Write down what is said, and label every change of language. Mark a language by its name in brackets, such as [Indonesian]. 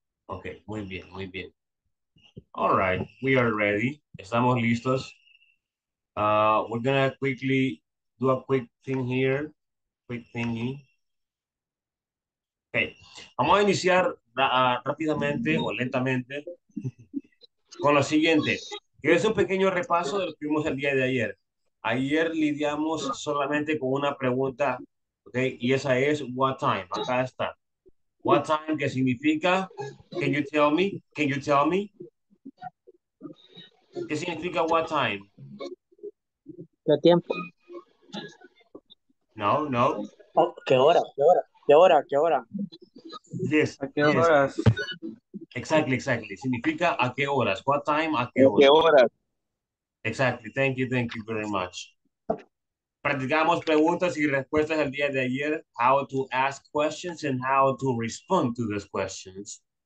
[English] Okay, [Spanish] muy bien, muy bien. [English] All right, we are ready. [Spanish] Estamos listos. [English] We're gonna quickly do a quick thing here, quick thingy. [Spanish] Okay, vamos a iniciar rápidamente o lentamente con lo siguiente. Es un pequeño repaso de lo que vimos el día de ayer. Ayer lidiamos solamente con una pregunta, okay, y esa es what time. Acá está. [English] What time, [Spanish] que significa, [English] can you tell me, can you tell me? [Spanish] ¿Qué significa what time? ¿Qué tiempo? No, no. Oh, ¿qué hora? ¿Qué hora? ¿Qué hora? [English] Yes. [Spanish] ¿A qué horas? [English] Exactly, exactly. [Spanish] Significa a qué horas. What time, a qué horas. ¿Qué horas? [English] Exactly. Thank you very much. [Spanish] Practicamos preguntas y respuestas el día de ayer. [English] How to ask questions and how to respond to those questions.